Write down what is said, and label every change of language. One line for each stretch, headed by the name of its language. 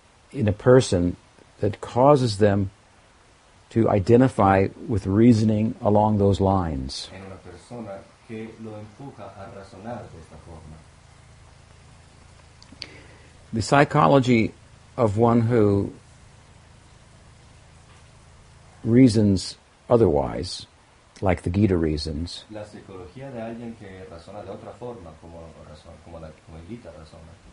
English: in a person that causes them to identify with reasoning along those lines.
Spanish: En una persona que lo empuja a razonar de esta forma.
English: The psychology of one who reasons otherwise, like the Gita reasons,
Spanish: la psicología de alguien que razona de otra forma, como el Gita razona,